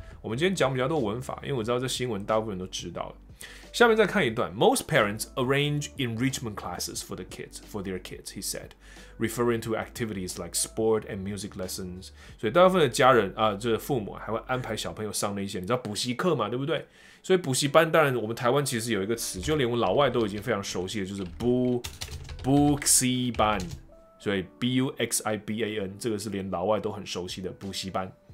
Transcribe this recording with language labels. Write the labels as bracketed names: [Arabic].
[Chinese] 我们今天讲比较多文法，因为我知道这新闻大部分人都知道了。 [English] 下面再看一段，Most parents arrange enrichment classes for their kids， he said， referring to activities like sport and music lessons。 [Chinese] 所以大部分的家人啊，就是父母还会安排小朋友上那些，你知道补习课嘛，对不对？所以补习班，当然我们台湾其实有一个词，就连我老外都已经非常熟悉的，就是 补习班，所以 buxiban 这个是连老外都很熟悉的补习班。